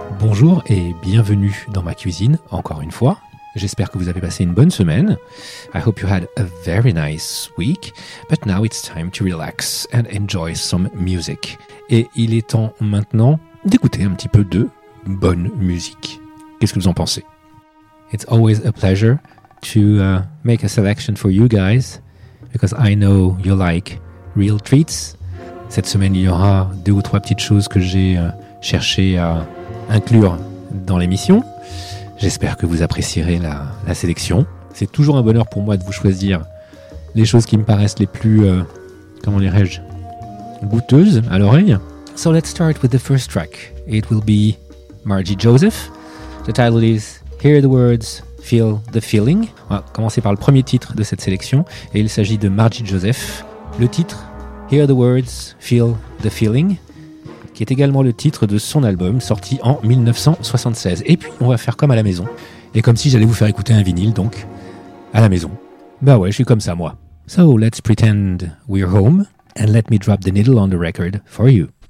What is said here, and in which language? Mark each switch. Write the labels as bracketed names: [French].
[French] Bonjour et bienvenue dans ma cuisine, encore une fois. J'espère que vous avez passé une bonne semaine. [English] I hope you had a very nice week. But now it's time to relax and enjoy some music. [French] Et il est temps maintenant d'écouter un petit peu de bonne musique. Qu'est-ce que vous en pensez? [English] It's always a pleasure to make a selection for you guys, because I know you like real treats. [French] Cette semaine, il y aura deux ou trois petites choses que j'ai cherché à inclure dans l'émission. J'espère que vous apprécierez la sélection. C'est toujours un bonheur pour moi de vous choisir les choses qui me paraissent les plus, comment dirais-je, goûteuses à l'oreille. [English] So let's start with the first track. It will be Margie Joseph. The title is Hear the Words, Feel the Feeling. [French] On va commencer par le premier titre de cette sélection et il s'agit de Margie Joseph. Le titre, Hear the Words, Feel the Feeling, qui est également le titre de son album sorti en 1976. Et puis, on va faire comme à la maison. Et comme si j'allais vous faire écouter un vinyle, donc, à la maison. Bah ouais, je suis comme ça, moi. [English] So, let's pretend we're home, and let me drop the needle on the record for you.